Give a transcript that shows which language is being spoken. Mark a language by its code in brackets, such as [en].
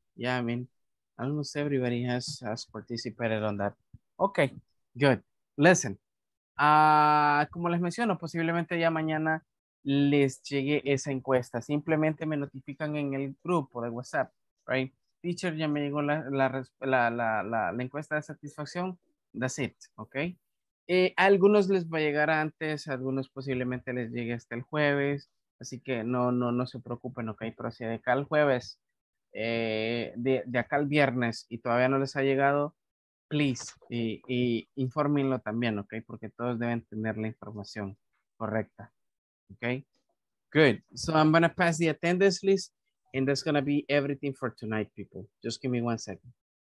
[en] Yeah, I mean, almost everybody has participated on that. Okay, good. [es] Listen, como les menciono, posiblemente ya mañana les llegue esa encuesta. Simplemente me notifican en el grupo de WhatsApp, right? Teacher, ya me llegó la encuesta de satisfacción. [en] That's it, okay? [es] A algunos les va a llegar antes, a algunos posiblemente les llegue hasta el jueves, así que no se preocupen, ok, pero si de acá al jueves, de acá al viernes y todavía no les ha llegado, please, y infórmenlo también, ok, porque todos deben tener la información correcta, ok. [en] Good, so I'm going to pass the attendance list and that's going to be everything for tonight, people. Just give me one second.